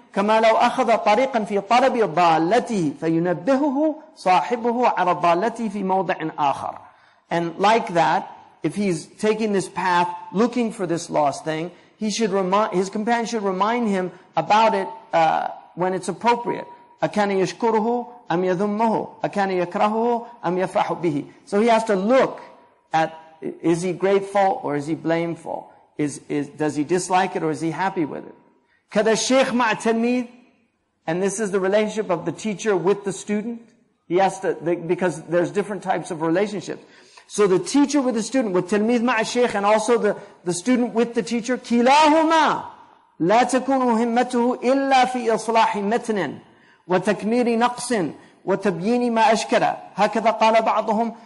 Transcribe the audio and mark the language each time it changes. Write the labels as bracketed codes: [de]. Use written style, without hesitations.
[ar] كَمَا لَوْ أَخَذَ طَرِيقًا فِي طَلَبِ ضَالَّتِهِ فَيُنَبِّهُهُ صَاحِبُهُ عَلَى ضَالَّتِهِ فِي مَوْضَعٍ آخَرٍ. [en] And like that, if he's taking this path, looking for this lost thing, he should his companion should remind him about it when it's appropriate. [ar] أَكَانَ يَشْكُرُهُ أَمْ يَذُمُّهُ أَكَانَ يَكْرَهُهُ أَمْ يَفْرَحُ بِهِ. [en] So he has to look at, is he grateful or is he blameful? Does he dislike it or is he happy with it? [ar] كَذَا الشَّيْخ مَعَ التَّلْمِيذِ. [en] And this is the relationship of the teacher with the student. He has to, because there's different types of relationships. So the teacher with the student, [ar] وَالتَّلْمِيذِ مَعَ الشَّيْخِ, [en] and also the student with the teacher, [ar] كِلَاهُمَا لَا تَكُونُ هِمَّتُهُ إِلَّا فِي إِصْلَاحِ مَتْنٍ وَتَكْمِيرِ نَقْصٍ وَتَبْيِينِ مَا أَشْكَرَ هَكَذَا قَالَ بَعْضُهُمْ.